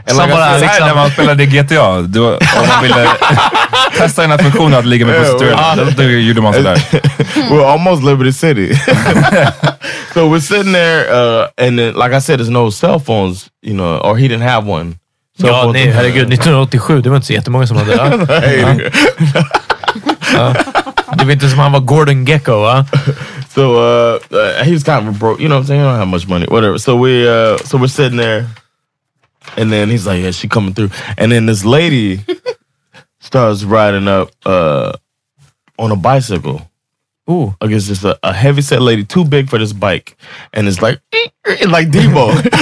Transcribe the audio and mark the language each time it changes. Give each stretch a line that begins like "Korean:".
Swedish: Samma liksom när man spelade GTA, du ville testa en funktion att ligga med prostituerade.
English: We're almost Liberty City. So we're sitting there, and then, like I said, there's no cell phones, you know, or he didn't have one.
Swedish: Ja, nej, herregud, 1987, det var inte så jättemånga som hade det. Det var inte som han var Gordon Gecko, va?
English: So, he was kind of broke, you know what I'm saying, I don't have much money, whatever. So we're sitting there, and then he's like, yeah, she coming through. And then this lady starts riding up on a bicycle. Ooh. I guess it's a heavy set lady, too big for this bike, and it's like Debo.